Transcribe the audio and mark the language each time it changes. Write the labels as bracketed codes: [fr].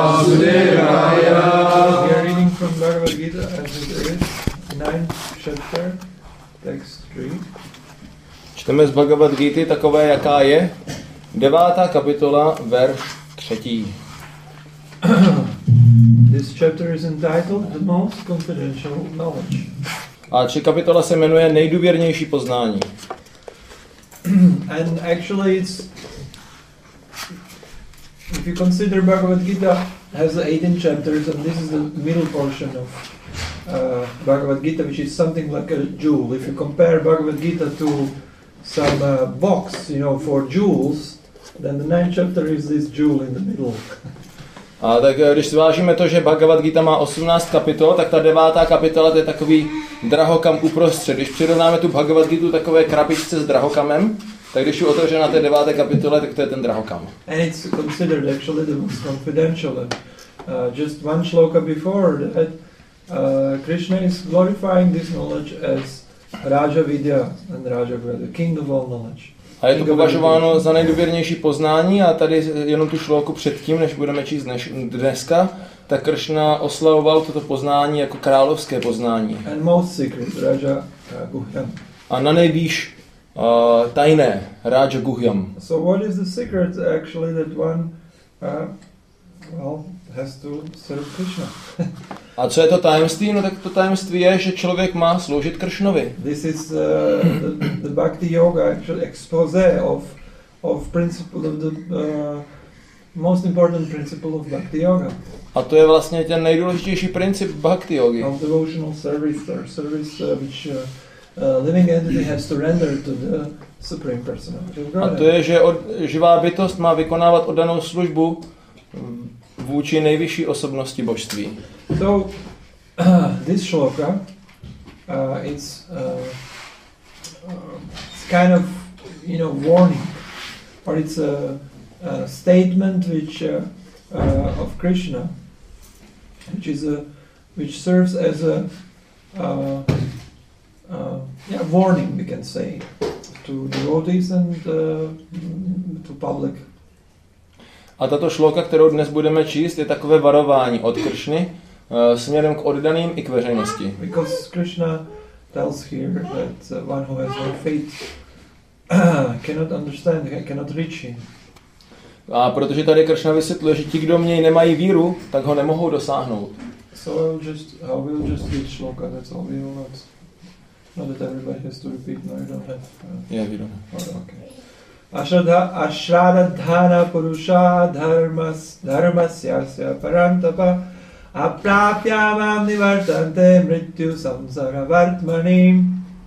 [en] We are reading from Bhagavad Gita as it is, 9th chapter, text. [cs] Čteme z Bhagavad Gita takové, jaká je. 9. kapitola, verš 3. [en] This chapter is entitled The Most Confidential Knowledge. [cs] A či kapitola se jmenuje Nejdůvěrnější poznání. [en] And actually it's, if you consider Bhagavad Gita has 18 chapters and this is the middle portion of Bhagavad Gita, which is something like a jewel. If you compare Bhagavad Gita to some box, you know, for jewels, then the ninth chapter is this jewel in the middle. [cs] A tak když si vážíme to, že Bhagavad Gita má 18 kapitol, tak ta 9. kapitola to je takový drahokam uprostřed. Když přirovnáme tu Bhagavad Gitu takové krabičce s drahokamem, tak když je otevřena té 9. kapitole, tak to je ten drahokam. [en] And it's considered actually the most confidential. Just one shloka before that, Krishna is glorifying this knowledge as Raja Vidya and Raja Vidya, king of all knowledge. [cs] A je to považováno za nejdůvěrnější poznání a tady jenom tu šloku předtím, než budeme číst dneska, tak Krishna oslavoval toto poznání jako královské poznání. [en] And most secret, Raja Guhyam. [cs] A na nejvýš tajné, Raja Guhyam. [en] So what is the secret actually that one has to serve Krishna? [cs] A co je to tajemství? No tak to tajemství je, že člověk má sloužit Kršnovi. [en] This is the bhakti yoga actually expose of principle of the most important principle of bhakti yoga. [cs] A to je vlastně ten nejdůležitější princip bhakti yogi. [en] Of devotional service or service which living entity has to render to the supreme personality of God. [cs] A to je, že živá bytost má vykonávat oddanou službu vůči nejvyšší osobnosti božství. [en] So this shloka it's kind of, you know, warning, or it's a statement which of Krishna, which is a which serves as a warning, we can say, to devotees and to public. [cs] A tato šloka, kterou dnes budeme číst, je takové varování od Krishny směrem k oddaným i k veřejnosti. [en] Because Krishna tells here that one who has no faith cannot understand, cannot reach him. [cs] A protože tady Krishna vysvětluje, že ti, kdo měj nemají víru, tak ho nemohou dosáhnout. [en] So I will just read shloka, that's all. We will not, not that everybody has to repeat, no, you don't have. Yeah, we don't. [sa] Ashradhana purusha dharmasyasya parantapa apraapyavam nivartante mrityu samsara vartmanim.